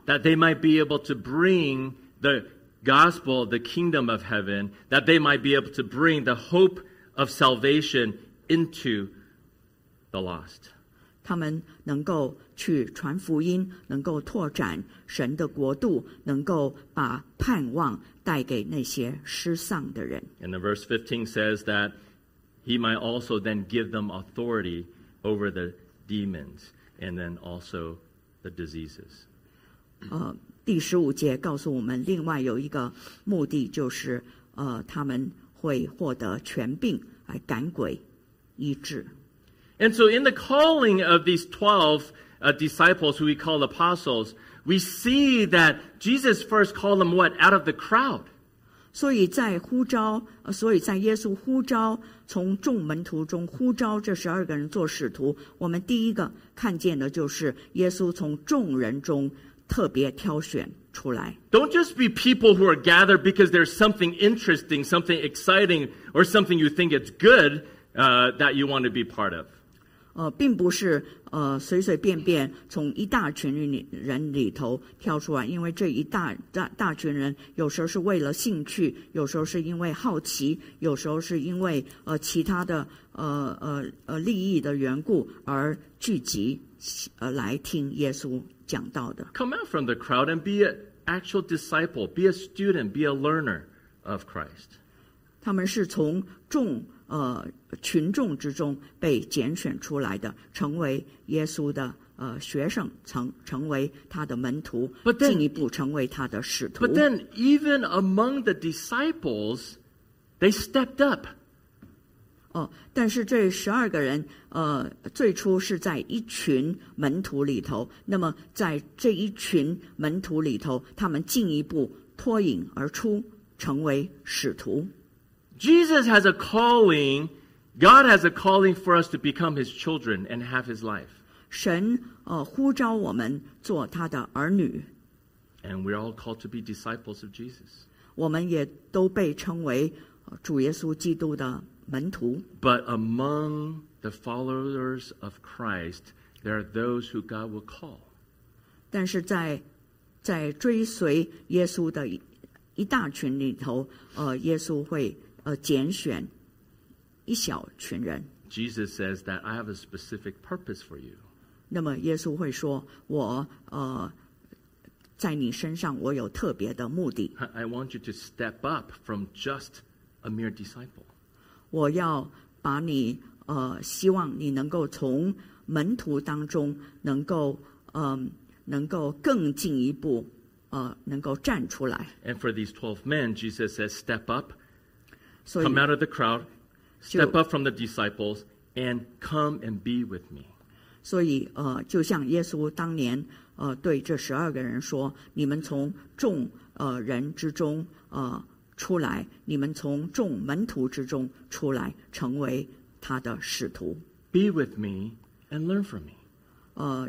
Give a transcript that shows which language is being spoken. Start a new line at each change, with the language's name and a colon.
English: That they might be able to bring the gospel, the kingdom of heaven, that they might be able to bring the hope of salvation into the lost.
Chinese: 他们能够去传福音，能够拓展神的国度，能够把盼望带给那些失丧的人。
English: And the verse 15 says that he might also then give them authority over the demons and then also the diseases.
Chinese: 第十五节告诉我们，另外有一个目的就是他们会获得权柄来赶鬼、医治。
English: And so in the calling of these 12 disciples who we call apostles, we see that Jesus first called them what? Out of the crowd.
Chinese: 所以在呼召，所以在耶稣呼召，从众门徒中呼召这十二个人做使徒，我们第一个看见的就是耶稣从众人中特别挑选出来。
English: Don't just be people who are gathered because there's something interesting, something exciting, or something you think it's good, that you want to be part of.
Chinese: 并不是随随便便从一大群人里头跳出来，因为这一大群人有时候是为了兴趣，有时候是因为好奇，有时候是因为其他的利益的缘故而聚集来听耶稣讲道的。
English: Come out from the crowd and be an actual disciple, be a student, be a learner of Christ.
Chinese: 他们是从众群众之中被拣选出来的，成为耶稣的学生成为他的门徒
English: but then,
Chinese: 进一步成为他的使徒
English: But then even among the disciples they stepped up
Chinese: 哦，但是这十二个人最初是在一群门徒里头那么在这一群门徒里头他们进一步脱颖而出成为使徒
English: Jesus has a calling God has a calling for us to become his children and have his life
Chinese: 神呼召我们做他的儿女
English: And we're all called to be disciples of Jesus
Chinese: 我们也都被称为主耶稣基督的门徒
English: But among the followers of Christ there are those who God will call
Chinese: 但是在追随耶稣的一大群里头耶稣会拣选一小群人
English: Jesus says that I have a specific purpose for you
Chinese: 那么耶稣会说我在你身上我有特别的目的
English: I want you to step up from just a mere disciple
Chinese: 我要把你希望你能够从门徒当中能够更进一步能够站出来
English: And for these 12 men Jesus says step up Come out of the crowd Step up from the disciples and come and be with me.
Chinese: 所以就像耶稣当年对这十二个人说，你们从众人之中出来，你们从众门徒之中出来，成为他的使徒。
English: Be with me and learn from me.